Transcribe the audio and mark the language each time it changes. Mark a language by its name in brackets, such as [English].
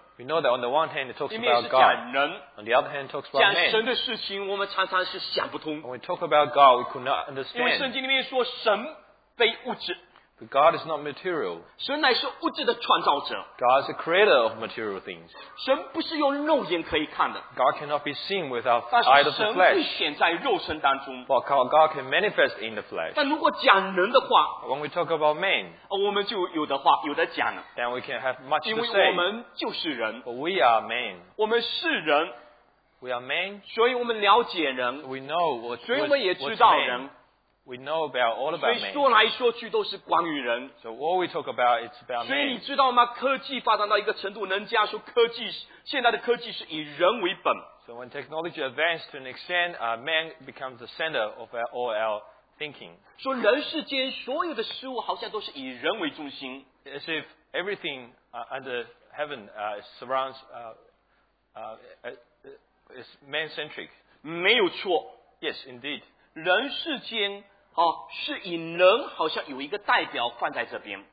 [English] we know that on the one hand it talks about God, on the other hand it talks about man. [Chinese] 讲神的事情我们常常是想不通， [English] when we talk about God we could not understand, [Chinese] 因为圣经里面说神非物质， [English] but God is not material. [Chinese] 神乃是物质的创造者， [English] God is the creator of material things. [Chinese] 神不是用肉眼可以看的， [English] God cannot be seen with our eye of the flesh. [Chinese] 但是神会显在肉身当中， [English] but God can manifest in the flesh. [Chinese] 但如果讲人的话， [English] when we talk about man, [Chinese] 我们就有的话有的讲了， [English] then we can have much to say. [Chinese] 因为我们就是人， [English] but we are man. [Chinese] 我们是人， [English] we are man. [Chinese] 所以我们了解人， [English] we know what, [Chinese] 所以我们也知道人， [English] we know about all about man. [Chinese] 所以说来说去都是关于人。 [English] So all we talk about is about man. [Chinese] 所以你知道吗？科技发展到一个程度， 人家说科技， 现在的科技是以人为本。 [English] So when technology advances to an extent, man becomes the center of all our thinking. [Chinese] 说人世间所有的事物好像都是以人为中心。 [English] As if everything under heaven surrounds, is man-centric. [Chinese] 没有错。 [English] Yes, indeed. [Chinese] 人世间 是以人好像有一个代表放在这边，